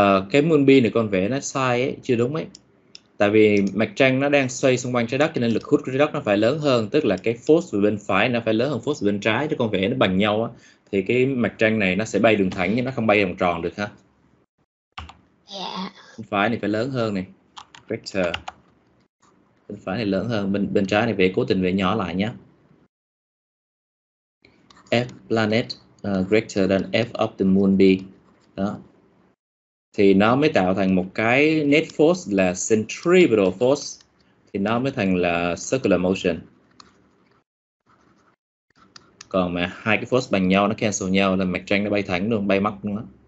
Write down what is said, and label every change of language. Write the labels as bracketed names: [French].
[Vietnamese] Cái moon B này con vẽ nó sai ấy, chưa đúng ấy. Tại vì mặt trăng nó đang xoay xung quanh trái đất cho nên lực hút của trái đất nó phải lớn hơn, tức là cái force về bên phải nó phải lớn hơn force bên trái, chứ con vẽ nó bằng nhau á thì cái mặt trăng này nó sẽ bay đường thẳng nhưng nó không bay vòng tròn được ha. Bên phải này phải lớn hơn này, vector. Bên phải này lớn hơn, bên bên trái này vẽ cố tình vẽ nhỏ lại nhé. [English] F planet greater than F of the moon B. [Vietnamese] Đó. Thì nó mới tạo thành một cái net force là centripetal force, thì nó mới thành là circular motion. Còn mà hai cái force bằng nhau nó cancel nhau là mặt trăng nó bay thẳng luôn, bay mắt luôn á.